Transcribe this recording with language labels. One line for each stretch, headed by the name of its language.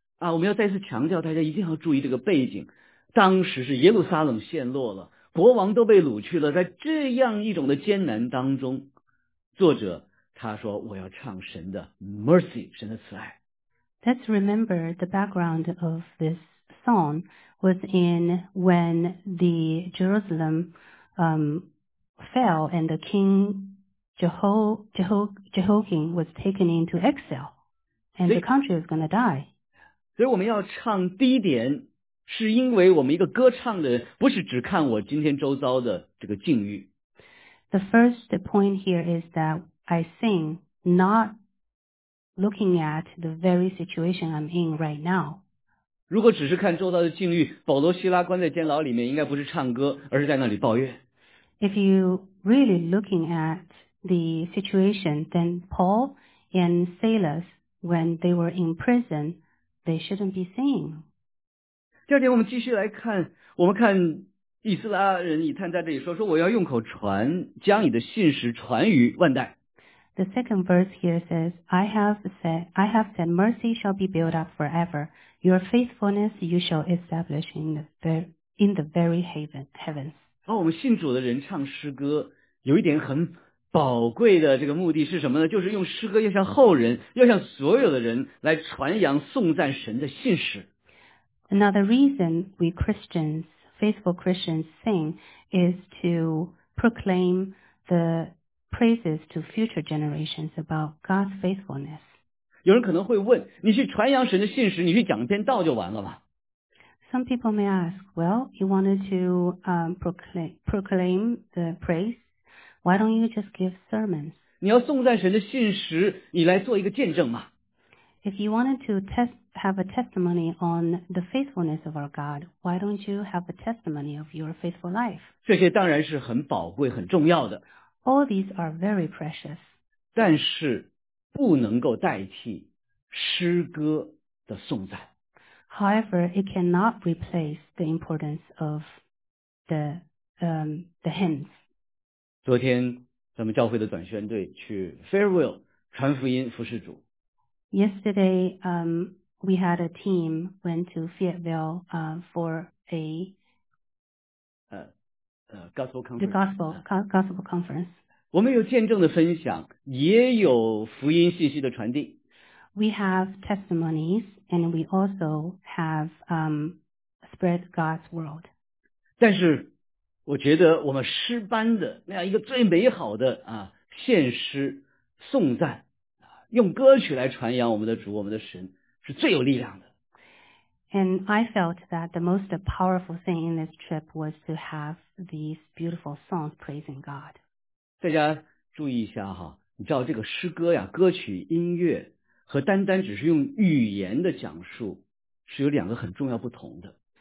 Chinese: 啊，我们要再次强调，大家一定要注意这个背景，当时是耶路撒冷陷落了。国王都被掳去了，在这样一种的艰难当中，作者他说，我要唱神的 mercy， 神的慈爱。
English: Let's remember the background of this song was in when the Jerusalem fell and the king Jehoiakim was taken into exile and the country was going to die.
Chinese: 所以我们要唱第一点，是因为我们一个歌唱的不是只看我今天周遭的这个境遇。
English: The first point here is that I sing not looking at the very situation I'm in right now.
Chinese: 如果只是看周遭的境遇，保罗希拉关在监牢里面应该不是唱歌，而是在那里抱怨。
English: If you really looking at the situation, then Paul and Silas, when they were in prison, they shouldn't be singing.
Chinese: 第二点，我们继续来看，我们看以斯拉人以探在这里说，说我要用口传，将你的信实传于万代。
English: The second verse here says, I have said, mercy shall be built up forever. Your faithfulness you shall establish in the very heavens.
Chinese: 我们信主的人唱诗歌，有一点很宝贵的这个目的是什么呢？就是用诗歌要向后人，要向所有的人来传扬颂赞神的信实。
English: Another reason we Christians, faithful Christians, sing is to proclaim the praises to future generations about God's faithfulness.
Chinese: 有人可能会问，你去传扬神的信实，你去讲一篇道就完了吗？
English: Some people may ask, well, you wanted to proclaim the praise, why don't you just give sermons?
Chinese: 你要颂赞神的信实，你来做一个见证吗？
English: If you wanted to have a testimony on the faithfulness of our God, why don't you have a testimony of your faithful life?
Chinese: 这些当然是很宝贵，很重要的。
English: All these are very precious.
Chinese: 但是不能够代替诗歌的颂赞。
English: However, it cannot replace the importance of the hymns.
Chinese: 昨天咱们教会的短宣队去 Fairwell 传福音服侍主。
English: Yesterday, we had a team went to Fayetteville for a gospel conference.
Chinese: 我们有见证的分享，也有福音信息的传递。
English: We have testimonies and we also have spread God's word.
Chinese: 但是我觉得我们诗班的那样一个最美好的献诗颂赞，用歌曲来传扬我们的主，我们的神是最有力量的。
English: And I felt that the most powerful thing in this trip was to have these beautiful songs praising God.
Chinese: 大家注意一下哈，你知道这个诗歌呀，歌曲音乐和单单只是用语言的讲述是有两个很重要不同的。